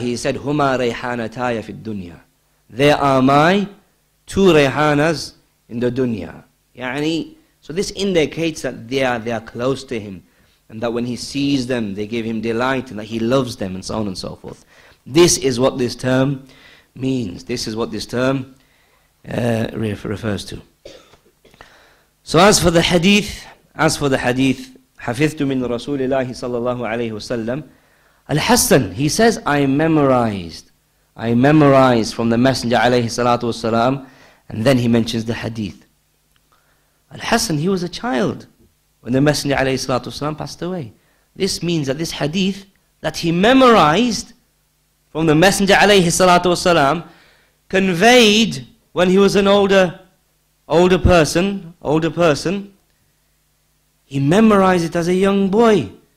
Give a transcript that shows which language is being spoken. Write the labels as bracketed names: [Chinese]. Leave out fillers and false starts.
[English] He said, [Arabic] "Huma Rayhanataya fi dunya." [English] They are my two Rayhanas in the dunya. Yani, so this indicates that they are close to him, and that when he sees them, they give him delight, and that he loves them, and so on and so forth. This is what this term means. This is what this term refers to. So as for the hadith, [Arabic] حَفِثْتُ مِنْ رَسُولِ اللَّهِ صَلَّى اللَّهُ عَلَيْهُ وَسَلَّمُ الْحَسَّنِ. [English] He says, I memorized from the Messenger [Arabic] عليه الصلاة والسلام. [English] And then he mentions the hadith. Al-Hassan, he was a child when the Messenger [Arabic] عليه الصلاة والسلام [English] passed away. This means that this hadith that he memorized from the Messenger [Arabic] عليه الصلاة والسلام [English] conveyed when he was an older person, he memorized it as a young boy.